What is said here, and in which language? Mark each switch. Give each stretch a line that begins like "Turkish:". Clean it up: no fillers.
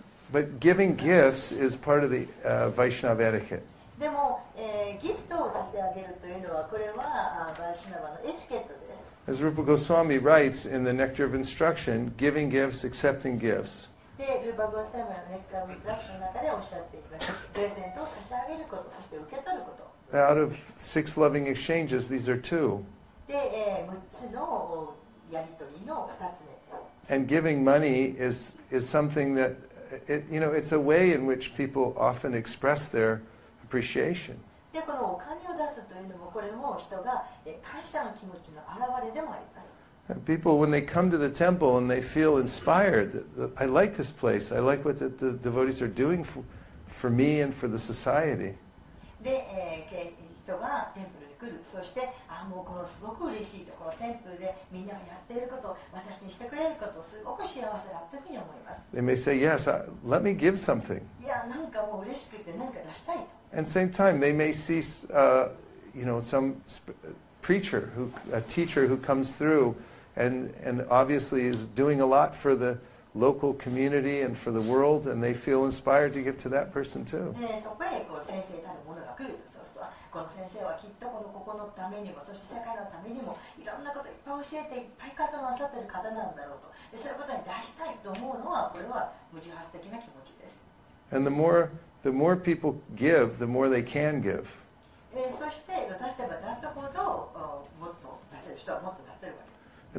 English: But giving gifts is part of the Vaishnava etiquette.
Japanese: でも、ギフトを差し上げるというのは、これはバイシナバのエチケットです。
English: As Rupa Goswami writes in the Nectar of Instruction, giving gifts, accepting gifts.
Japanese: で、ルーパゴスワミのネクターオブインストラクションの中でおっしゃっていました。プレゼントを差し上げること、そして受け取ること。
English: Out of six loving exchanges, these are two.
Japanese: で、6つのやり取りの2つ目です。
English: And giving money is something that, you know, it's a way in which people often express their... appreciation.
Japanese: で、このお金を出すというのも、これも人が感謝の気持ちの表れでもあります。
English: People, when they come to the temple and they feel inspired, I like this place, I like what the devotees are doing for me and for the society.
Japanese: で、人がテンプルに来る、そして、もうこのすごく嬉しいところ、テンプルでみんながやっていること、私にしてくれること、すごく幸せだというふうに思います。
English: They may say, yes, let me give something.
Japanese: いや、なんかもう嬉しくて、なんか出したいと。
English: And same time, they may see, you know, some preacher, who, a teacher who comes through and obviously is doing a lot for the local community and for the world, and they feel inspired to give to that person too.
Japanese: そこへ先生たるものが来ると、そうすると、この先生はきっとこのここのためにも、そして世界のためにも、いろんなこといっぱい教えて、いっぱい方をなさってる方なんだろうと。で、そういうことに出したいと思うのは、これは無自発的な気持ちです。
English: And the more... The more people give, the more they can give.
Japanese: そして出せば出すほど、もっと出せる人はもっと出せるわけ。